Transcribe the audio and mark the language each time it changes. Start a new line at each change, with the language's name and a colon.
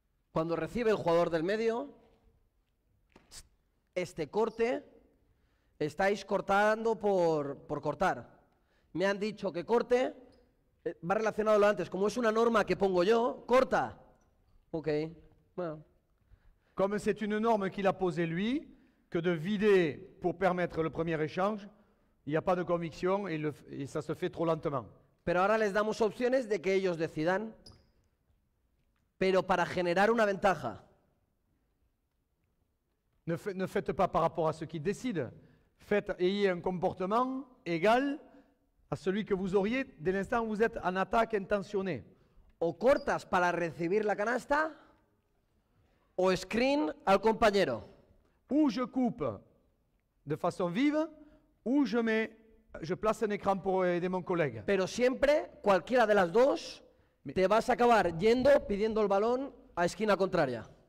Spanish: Cuando recibe el jugador del medio, este corte, estáis cortando por cortar. Me han dicho que corte, va relacionado a lo antes, como es una norma que pongo yo, corta. Ok, bueno. Como es una norma que
French: l'a posé lui, que de vider pour permettre le premier échange, il n'y a pas de
Spanish: convicción y
French: ça se fait trop lentement.
Spanish: Pero ahora les damos opciones de que ellos decidan, pero para generar una ventaja.
French: Ne faites pas par rapport à ceux qui décident. Ayez un comportement égal à celui que vous auriez dès l'instant où vous êtes en attaque intentionné.
Spanish: O cortas para recibir la canasta, o screen al compañero.
French: Ou je coupe de façon vive, ou je mets... Je place un écran pour aider mon collègue.
Spanish: Pero siempre, cualquiera de las dos, te vas a acabar yendo, pidiendo el balón a esquina contraria.